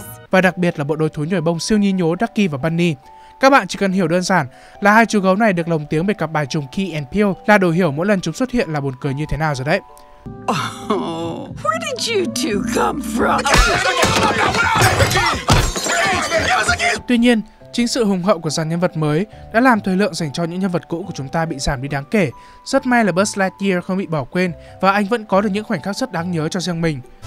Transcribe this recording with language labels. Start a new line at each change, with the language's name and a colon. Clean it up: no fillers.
Vietnamese: Và đặc biệt là bộ đôi thú nhồi bông siêu nhí nhố Ducky và Bunny. Các bạn chỉ cần hiểu đơn giản là hai chú gấu này được lồng tiếng bởi cặp bài trùng Key and Peele là đủ hiểu mỗi lần chúng xuất hiện là buồn cười như thế nào rồi đấy.
English: Oh, where did you two come from?
Vietnamese: Tuy nhiên, chính sự hùng hậu của dàn nhân vật mới đã làm thời lượng dành cho những nhân vật cũ của chúng ta bị giảm đi đáng kể. Rất may là Buzz Lightyear không bị bỏ quên và anh vẫn có được những khoảnh khắc rất đáng nhớ cho riêng mình.